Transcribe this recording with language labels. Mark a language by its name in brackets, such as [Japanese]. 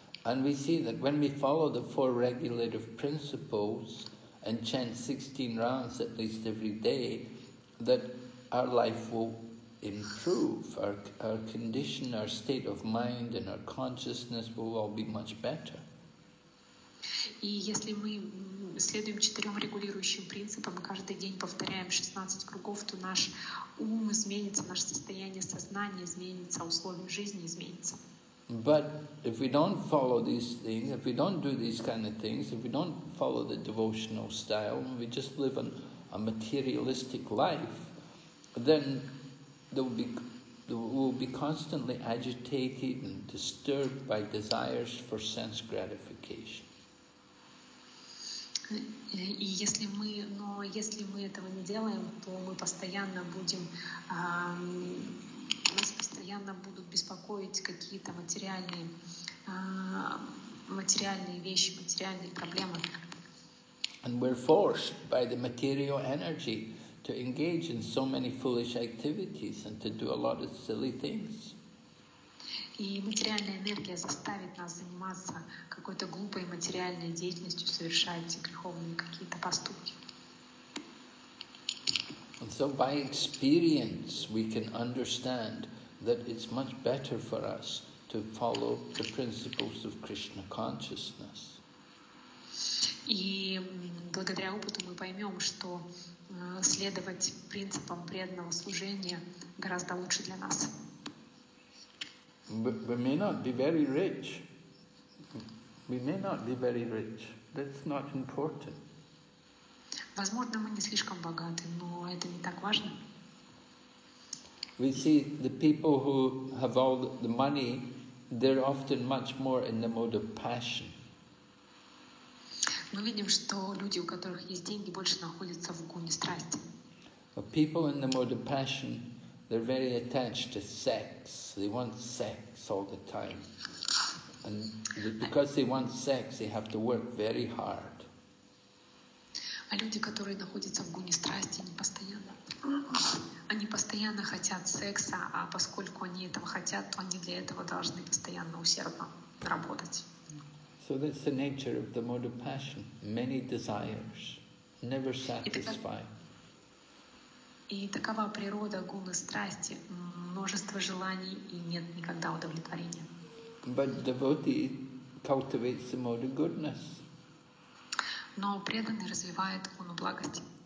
[English] And we see that when we follow the four regulative principles and chant 16 rounds at least every day, that our life will improve, our condition, our state of mind and our consciousness will all be much better. [Russian] И если мы следуем четырем регулирующим принципам, каждый день повторяем 16 кругов, то наш ум изменится, наше состояние сознания изменится, условия жизни изменятся. [English] But if we don't follow these things, if we don't do these kind of things, if we don't follow the devotional style, and we just live a materialistic life, then we will be constantly agitated and disturbed by desires for sense gratification. [Russian] И если мы этого не делаем, то мы постоянно будем нас постоянно будут беспокоить какие-то материальные вещи, материальные проблемы. [English] And we're forced by the material energy to engage in so many foolish activities and to do a lot of silly things. [Russian] И материальная энергия заставит нас заниматься какой-то глупой материальной деятельностью, совершать греховные какие-то поступки. [English] And so by experience we can understand that it's much better for us to follow the principles of Krishna consciousness. [Russian] И благодаря опыту мы поймем, что следовать принципам преданного служения гораздо лучше для нас. [English] We may not be very rich. We may not be very rich. That's not important. [Russian] Возможно, мы не слишком богаты, но это не так важно. [English] We see the people who have all the money, they're often much more in the mode of passion. [Russian] Мы видим, что люди, у которых есть деньги, больше находятся в гуне страсти. [English] But people in the mode of passion, they're very attached to sex. They want sex all the time. And because they want sex, they have to work very hard. [Russian] А люди, которые находятся в гуне страсти, они постоянно хотят секса, а поскольку они этого хотят, то они для этого должны постоянно усердно работать. [English] So that's the nature of the mode of passion. Many desires, never satisfied. [Russian] И такова природа гуны страсти, множество желаний и нет никогда удовлетворения. [English] But devotee cultivates the mode of goodness. [Russian] Но преданный развивает гуну благости.